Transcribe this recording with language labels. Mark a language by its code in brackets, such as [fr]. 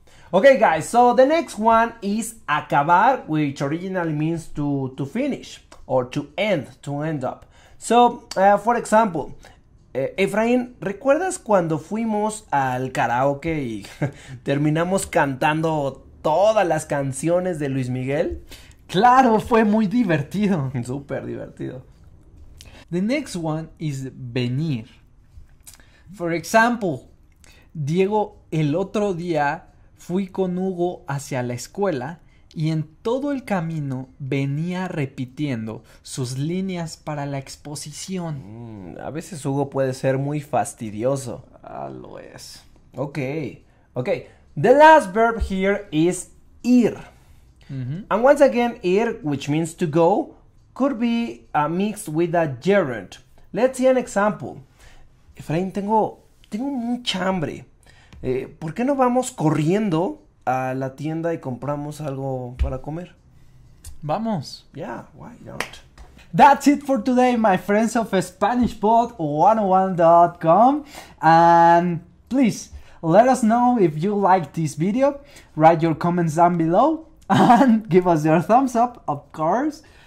[en] Okay, guys, so the next one is acabar, which originally means to finish or to end up. So, for example, [es] Efraín, ¿recuerdas cuando fuimos al karaoke y terminamos cantando todas las canciones de Luis Miguel? ¡Claro! ¡Fue muy divertido! ¡Súper divertido! [en] The next one is venir. For example, [es] Diego, el otro día fui con Hugo hacia la escuela y en todo el camino venía repitiendo sus líneas para la exposición. A veces Hugo puede ser muy fastidioso. Ah, lo es. [en] Ok, ok. The last verb here is ir. Mm-hmm. And once again, ir, which means to go, could be mixed with a gerund. Let's see an example. Efraín, [es] tengo mucha hambre. ¿Por qué no vamos corriendo a la tienda y compramos algo para comer? Vamos. [en] Yeah, why not? That's it for today, my friends of SpanishPod101.com. And please, let us know if you liked this video. Write your comments down below. And give us your thumbs up, of course.